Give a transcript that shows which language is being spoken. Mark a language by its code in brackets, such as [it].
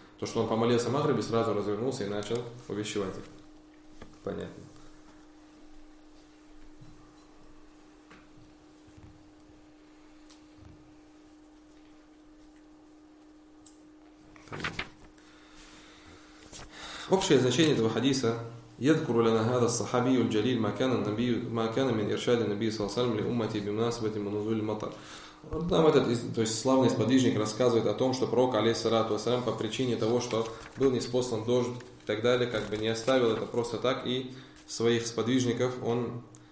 [ru] То, что он помолился Магриб, сразу развернулся и начал увещевать их. Понятно. Общее значение этого хадиса. [ar] يذكر لنا هذا الصحابي الجليل ما كان من إرشاد النبي صلى الله عليه وسلم لأمتي بمناسبة من نزول المطر. [ru] Нам этот, то есть славный сподвижник рассказывает о том, что пророк, алейхиссалату ассалям, по причине того, что был неспослан дождь и так далее, как бы не оставил это просто так, и своих сподвижников он...